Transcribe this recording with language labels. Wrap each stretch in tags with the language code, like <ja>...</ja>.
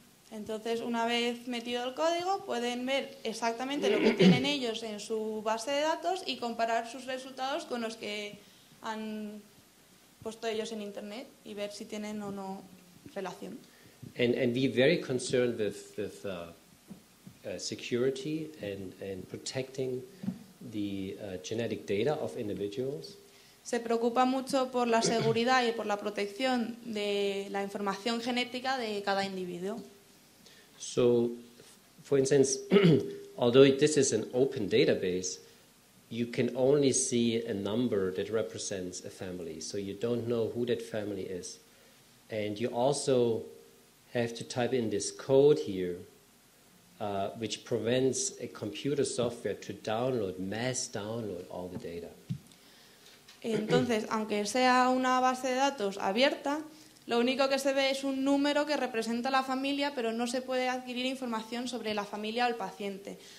<es>Entonces, una vez metido el código, pueden ver exactamente lo que tienen ellos en su base de datos y comparar sus resultados con los que han puesto ellos en Internet y ver si tienen o no relación.</es> <en>And be very concerned with security and protecting the genetic data of individuals.</en> <es>Se preocupa mucho por la seguridad y por la protección de la información genética de cada individuo.</es> <en>So, for instance, although this is an open database, you can only see a number that represents a family. So you don't know who that family is. And you also have to type in this code here, which prevents a computer software to download, mass download all the data.</en> <es>Entonces, aunque sea una base de datos abierta, lo único que se ve es un número que representa la familia, pero no se puede adquirir información sobre la familia o el paciente.</es>